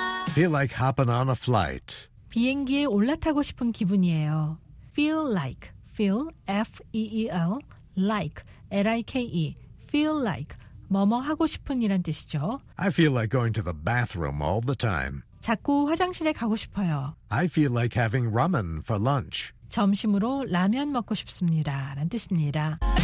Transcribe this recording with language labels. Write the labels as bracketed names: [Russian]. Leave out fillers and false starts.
[English] Feel like hopping on a flight. [Korean] 비행기에 올라타고 싶은 기분이에요. [English] Feel like, feel, F-E-E-L, like, L-I-K-E, feel like, [Korean] 뭐뭐 하고 싶은이란 뜻이죠. [English] I feel like going to the bathroom all the time. [Korean] 자꾸 화장실에 가고 싶어요. [English] I feel like having ramen for lunch. [Korean] 점심으로 라면 먹고 싶습니다라는 뜻입니다.